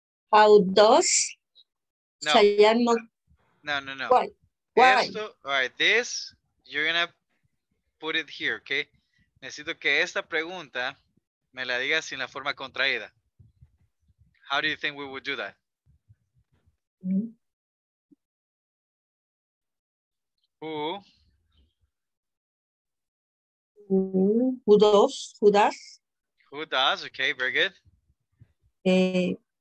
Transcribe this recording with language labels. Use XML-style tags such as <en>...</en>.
<en>How does? No. No, no, no. Why?</en> <es>Esto,</es> <en>all right, this, you're gonna put it here, okay?</en> <es>Necesito que esta pregunta me la diga sin la forma contraída.</es> <en>How do you think we would do that? Mm-hmm. Who? Who does? Who does? Who does? Okay, very good.</en>